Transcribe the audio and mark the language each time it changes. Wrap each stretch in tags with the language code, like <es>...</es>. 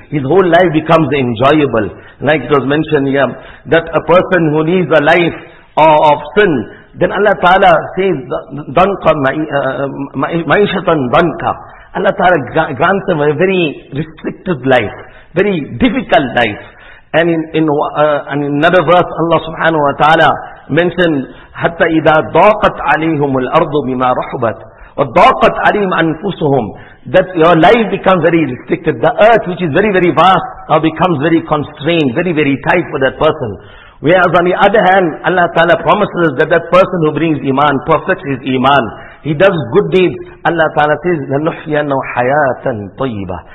<en>His whole life becomes enjoyable. Like it was mentioned here, that a person who leads a life of sin, then Allah Ta'ala says,</en> <ar>danqa ma'ishatan danqa.</ar> <en>Allah Ta'ala grants him a very restricted life, very difficult life. And in another verse, Allah subhanahu wa ta'ala mentioned,</en> <ar>حَتَّى إِذَا ضَاقَتْ عَلَيْهُمُ الْأَرْضُ بِمَا رَحُبَتْ وَضَاقَتْ عَلَيْهُمْ أَنفُسُهُمْ.</ar> <en>That your life becomes very restricted. The earth, which is very, very vast, now becomes very constrained, very, very tight for that person. Whereas on the other hand, Allah ta'ala promises that that person who brings iman, perfects his iman, he does good deeds, Allah ta'ala says,</en> <ar>لَنُحْيَنَّوْ حَيَاةً طَيِّبَةً.</ar>